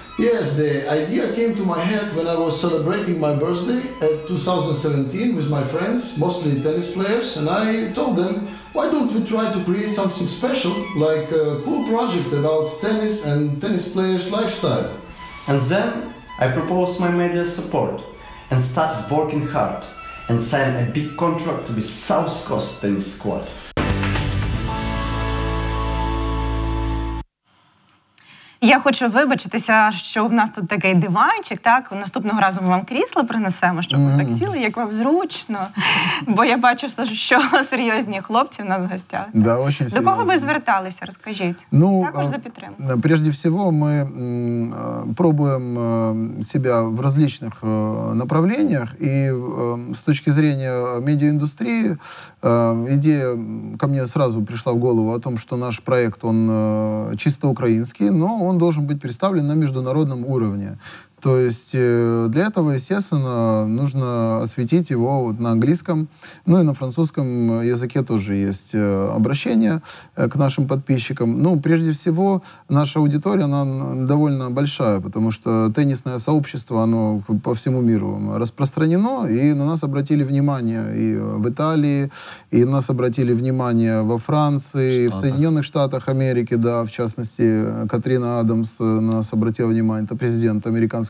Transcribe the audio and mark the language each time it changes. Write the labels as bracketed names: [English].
[English] Yes, the idea came to my head when I was celebrating my birthday at 2017 with my friends, mostly tennis players, and I told them, why don't we try to create something special, like a cool project about tennis and tennis players' lifestyle. And then I proposed my media support and started working hard and signed a big contract with South Coast Tennis Squad. [Ukrainian] Я хочу вибачитися, що в нас тут такий диванчик, так? Наступного разу ми вам крісло принесемо, щоб ви так сіли, як вам зручно. Бо я бачу, що серйозні хлопці в нас в гостях. [Russian] Да, очень [Ukrainian] серйозно. До кого ви зверталися, розкажіть. Ну, також за підтримку. [Russian] Прежде всего, [Ukrainian] ми пробуємо себе [Russian] в различних направленнях. [Ukrainian] І з точки [Russian] зрения медіаіндустрії, ідея ко мне сразу [Ukrainian] прийшла в голову [Russian] о том, [Ukrainian] що наш проект, [Russian] он [Ukrainian] чисто український, [Russian] но он должен быть представлен на международном уровне. То есть для этого, естественно, нужно осветить его вот на английском, ну и на французском языке тоже есть обращение к нашим подписчикам. Ну, прежде всего, наша аудитория, она довольно большая, потому что теннисное сообщество, оно по всему миру распространено, и на нас обратили внимание и в Италии, и нас обратили внимание во Франции, в Соединенных Штатах Америки, да, в частности, Катрина Адамс нас обратила внимание, это президент американского